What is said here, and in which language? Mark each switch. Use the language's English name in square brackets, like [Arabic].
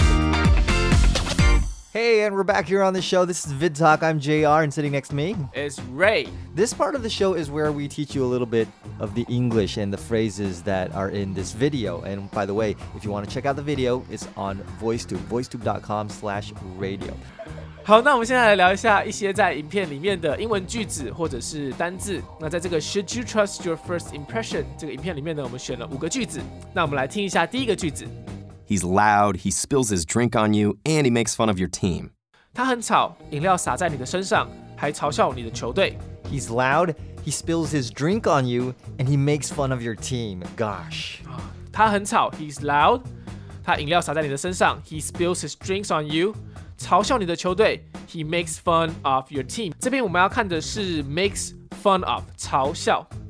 [English] again. We're back here on the show. This is VidTalk. I'm JR, and sitting next to me is Ray. This part of the show is where we teach you a little bit of the English and the phrases that are in this video. And by the way, if you want to check out the video, it's on VoiceTube, voicetube.com/radio. [Chinese] 好，那我们现在来聊一下一些在影片里面的英文句子或者是单字。那在这个 [English] Should you trust your first impression [Chinese] 这个影片里面呢，我们选了五个句子。那我们来听一下第一个句子。 [English] He's loud, he spills his drink on you, and he makes fun of your team. [Chinese] 他很吵，饮料洒在你的身上，还嘲笑你的球队。 [English] He's loud, he spills his drink on you, and he makes fun of your team. Gosh. [Chinese] 他很吵， [English] he's loud, [Chinese] 他饮料洒在你的身上， [English] he spills his drinks on you, [Chinese] 嘲笑你的球队， [English] he makes fun of your team. [Chinese] 这边我们要看的是 [English] makes fun of, [Chinese] 嘲笑。